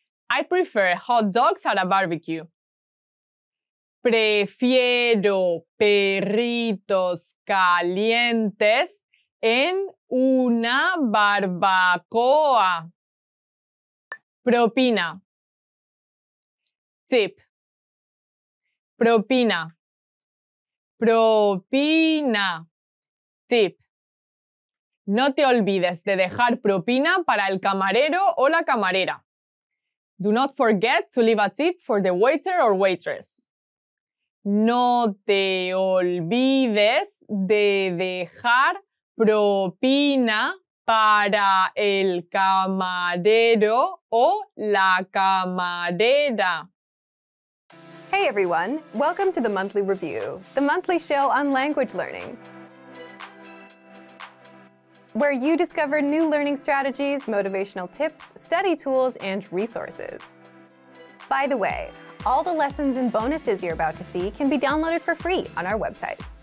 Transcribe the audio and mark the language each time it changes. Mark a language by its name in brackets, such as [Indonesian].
[English] I prefer hot dogs at a barbecue. [Spanish] Prefiero perritos calientes en una barbacoa. Propina. [English] Tip. [Spanish] Propina. Propina. [English] Tip. [Spanish] No te olvides de dejar propina para el camarero o la camarera. [English] Do not forget to leave a tip for the waiter or waitress. [Spanish] No te olvides de dejar propina para el camarero o la camarera. [English] Hey everyone, welcome to the Monthly Review, the monthly show on language learning, where you discover new learning strategies, motivational tips, study tools, and resources. By the way, all the lessons and bonuses you're about to see can be downloaded for free on our website.